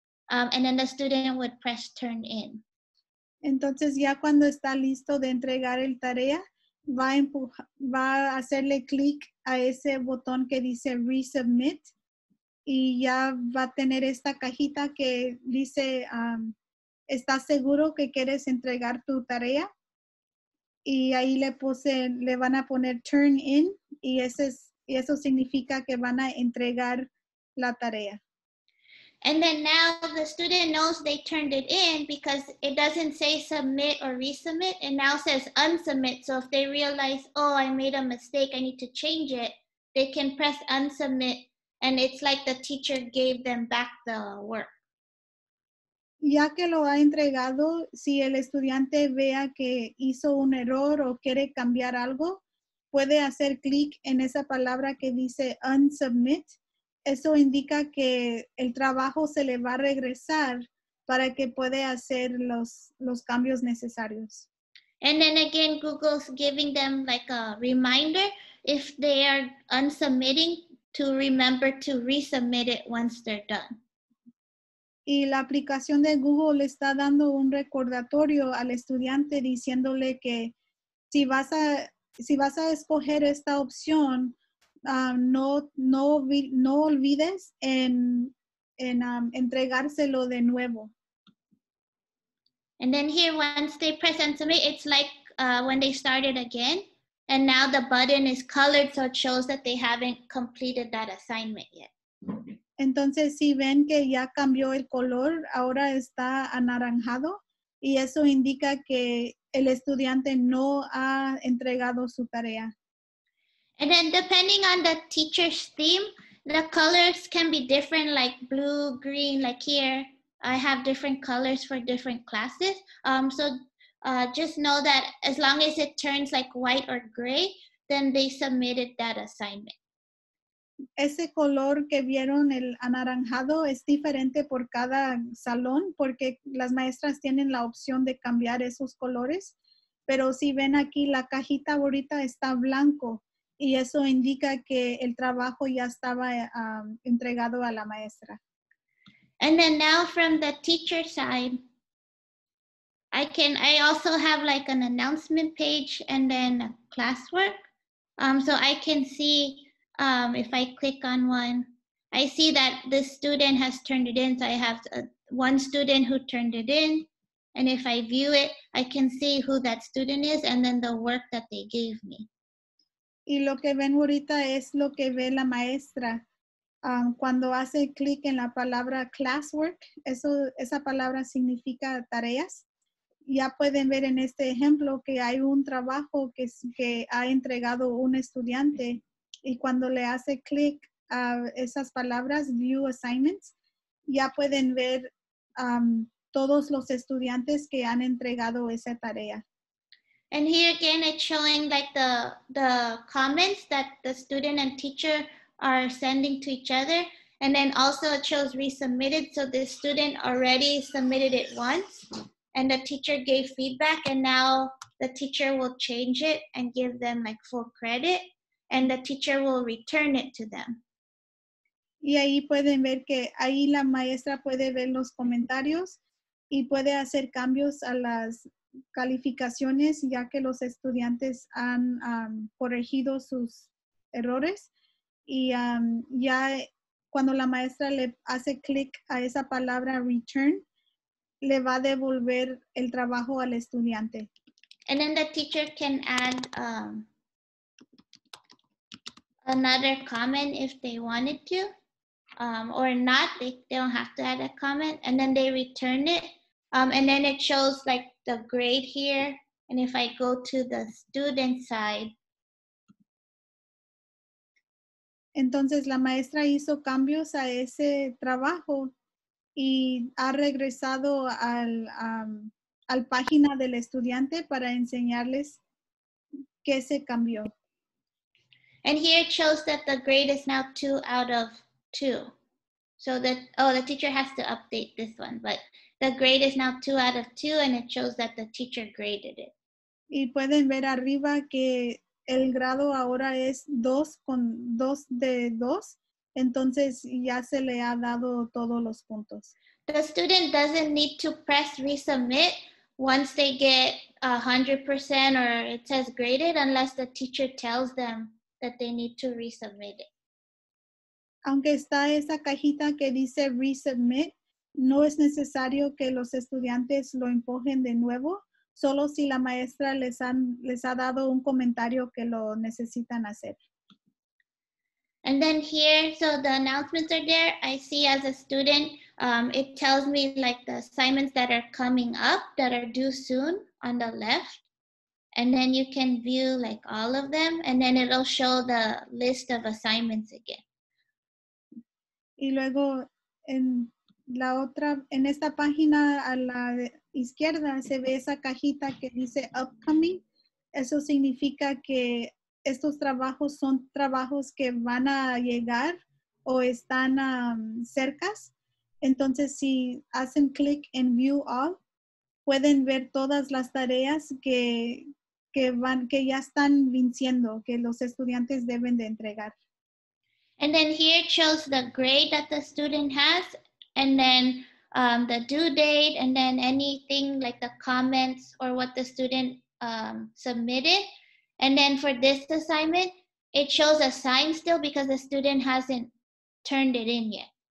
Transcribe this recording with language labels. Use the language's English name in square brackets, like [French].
[English] And then the student would press turn in. [Spanish] Entonces ya cuando está listo de entregar el tarea, va a hacerle clic a ese botón que dice resubmit. Y ya va a tener esta cajita que dice, ¿estás seguro que quieres entregar tu tarea? Y ahí le van a poner turn in y eso significa que van a entregar la tarea. [English] And then now the student knows they turned it in because it doesn't say submit or resubmit. It now says unsubmit. So if they realize, oh, I made a mistake, I need to change it, they can press unsubmit. And it's like the teacher gave them back the work. [Spanish] Ya que lo ha entregado, si el estudiante vea que hizo un error o quiere cambiar algo, puede hacer clic en esa palabra que dice unsubmit. Eso indica que el trabajo se le va a regresar para que pueda hacer los cambios necesarios. [English] And then again, Google's giving them like a reminder if they are unsubmitting, to remember to resubmit it once they're done. [Spanish] Y la aplicación de Google le está dando un recordatorio al estudiante diciéndole que si vas a escoger esta opción, no olvides en entregárselo de nuevo. [English] And then here, once they press and submit, it's like when they started again. And now the button is colored, so it shows that they haven't completed that assignment yet. [Spanish] Entonces, si ven que ya cambió el color, ahora está anaranjado, y eso indica que el estudiante no ha entregado su tarea. [English] And then depending on the teacher's theme, the colors can be different, like blue, green, like here. I have different colors for different classes. Just know that as long as it turns like white or gray, then they submitted that assignment. [Spanish] Ese color que vieron, el anaranjado, es diferente por cada salón porque las maestras tienen la opción de cambiar esos colores. Pero si ven aquí, la cajita ahorita está blanco y eso indica que el trabajo ya estaba entregado a la maestra. [English] And then now from the teacher side, I also have like an announcement page and then classwork. So I can see if I click on one, I see that this student has turned it in. So I have one student who turned it in. And if I view it, I can see who that student is and then the work that they gave me. [Spanish] Y lo que ven ahorita es lo que ve la maestra. Cuando hace clic en la palabra classwork, esa palabra significa tareas. Ya pueden ver en este ejemplo que hay un trabajo que ha entregado un estudiante y cuando le hace clic a esas palabras, View Assignments, ya pueden ver todos los estudiantes que han entregado esa tarea. [English] And here again, it's showing like the comments that the student and teacher are sending to each other. And then also it shows resubmitted, so the student already submitted it once. And the teacher gave feedback, and now the teacher will change it and give them like full credit, and the teacher will return it to them. [Spanish] Y ahí pueden ver que ahí la maestra puede ver los comentarios y puede hacer cambios a las calificaciones ya que los estudiantes han corregido sus errores. Y ya cuando la maestra le hace clic a esa palabra return, le va a devolver el trabajo al estudiante. [English] And then the teacher can add another comment if they wanted to, or not, they don't have to add a comment, and then they return it, and then it shows like the grade here, and if I go to the student side, [Spanish] Entonces la maestra hizo cambios a ese trabajo y ha regresado al al página del estudiante para enseñarles qué se cambió. [English] And here it shows that the grade is now 2 out of 2. So that, oh, the teacher has to update this one, but the grade is now 2 out of 2 and it shows that the teacher graded it. [Spanish] Y pueden ver arriba que el grado ahora es 2 con 2 de 2. Entonces ya se le ha dado todos los puntos. [English] The student doesn't need to press resubmit once they get 100% or it says graded unless the teacher tells them that they need to resubmit it. [Spanish] Aunque está esa cajita que dice resubmit, no es necesario que los estudiantes lo empujen de nuevo, solo si la maestra les ha dado un comentario que lo necesitan hacer. [English] And then here, so the announcements are there. I see as a student, it tells me like the assignments that are coming up that are due soon on the left. And then you can view like all of them and then it'll show the list of assignments again. [Spanish] Y luego en la otra, en esta página a la izquierda se ve esa cajita que dice upcoming. Eso significa que estos trabajos son trabajos que van a llegar o están cercas. Entonces, si hacen click en View All, pueden ver todas las tareas que ya están venciendo, que los estudiantes deben de entregar. [English] And then here shows the grade that the student has, and then the due date, and then anything like the comments or what the student submitted. And then for this assignment, it shows a sign still because the student hasn't turned it in yet.